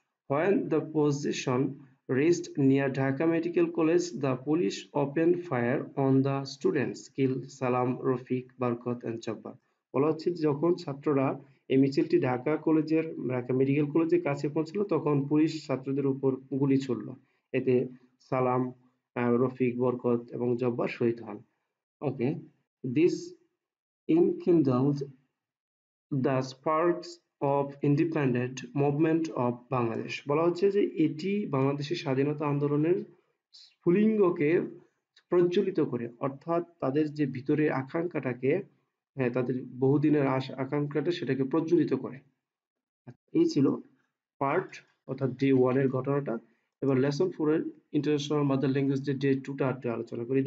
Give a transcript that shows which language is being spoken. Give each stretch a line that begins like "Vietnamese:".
English: When the position rest near Dhaka medical college the police open fire on the students kill Salam Rafiq Barkat and Jabbar.
Bangla: বলা হচ্ছে যখন ছাত্ররা এই মিছিলটি ঢাকা কলেজের ঢাকা মেডিকেল কলেজের কাছে পৌঁছলো, তখন পুলিশ ছাত্রদের উপর গুলি ছুড়ল, এতে সালাম রফিক বরকত এবং জব্বার শহীদ হন। ওকে,
English: This enkindled the sparks of independent movement of Bangladesh.
Bangla: বলা হচ্ছে যে এটি বাংলাদেশের স্বাধীনতা আন্দোলনের স্ফুলিঙ্গকে প্রজ্বলিত করে, অর্থাৎ তাদের যে ভিতরে আকাঙ্ক্ষাটাকে, হ্যাঁ, তাদের বহুদিনের আকাঙ্ক্ষাটা সেটাকে প্রজ্বলিত করে। এই ছিল পার্ট অর্থাৎ ডে ওয়ান এর ঘটনাটা। এবার লেসন ফোর এর international mother language day day to টা আলোচনা করি।